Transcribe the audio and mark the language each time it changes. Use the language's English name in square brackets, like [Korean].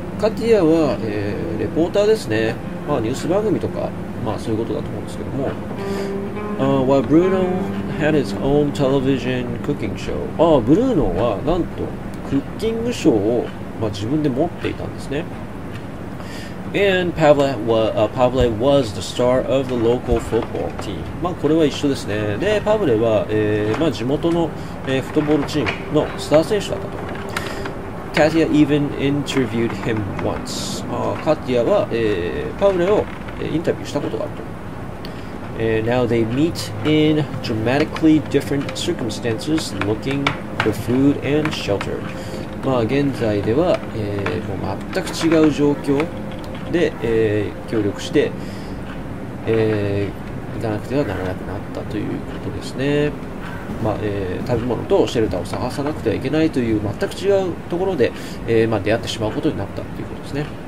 [Japanese] Katia は、レポーターですね。まあ、ニュース番組とか、まあ、そういうことだと思うんですけども。 [English] While Bruno had his own television cooking show. [Japanese] ああ、ブルーノはなんと、クッキングショーを、まあ、自分で持っていたんですね。 [English] And Pavle was the star of the local football team. [Japanese] まあこれは一緒ですね。で、パブレは、まあ、地元の、フットボールチームのスター選手だったと。 [English] Katia even interviewed him once. [Japanese] Katia は、パブレを、インタビューしたことがあると。 [English] And now they meet in dramatically different circumstances, looking for food and shelter. [Japanese] まあ現在では、もう全く違う状況で、協力して、行かなくてはならなくなったということですね。まあ食べ物とシェルターを探さなくてはいけないという全く違うところで、まあ、出会ってしまうことになったということですね。